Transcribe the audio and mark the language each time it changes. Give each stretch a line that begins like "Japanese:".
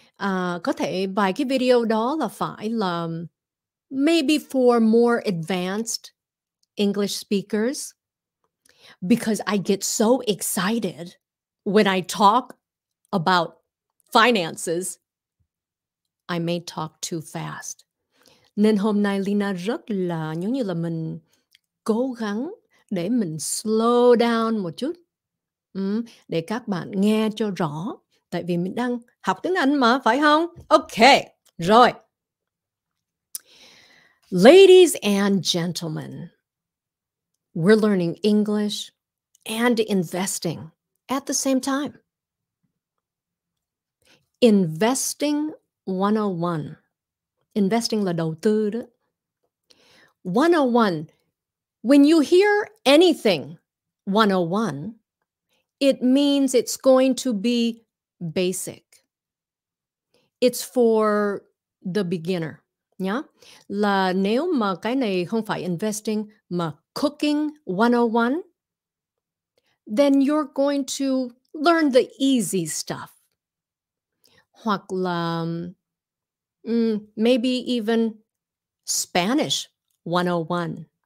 Vietnamese: Có thể vài cái video đó là phải là
English: maybe for more advanced English speakers. Because I get so excited when I talk about finances, I may talk too fast.
Vietnamese: Nên hôm nay Leyna rất là giống như là mình cố gắng để mình
English: slow down
Vietnamese: một chút. Để các bạn nghe cho rõ. Tại vì mình đang học tiếng Anh mà, phải không? Okay, rồi.
English: Ladies and gentlemen, we're learning English and investing at the same time.
Vietnamese: Investing 101. Investing là đầu tư đó. 101.
English: When you hear anything 101, it means it's going to be basic. It's for the beginner. Yeah?
Vietnamese: Là nếu mà cái này không phải
English: investing, mà cooking 101, then you're going to learn the easy stuff.
Vietnamese: Hoặc là
English: maybe even Spanish 101.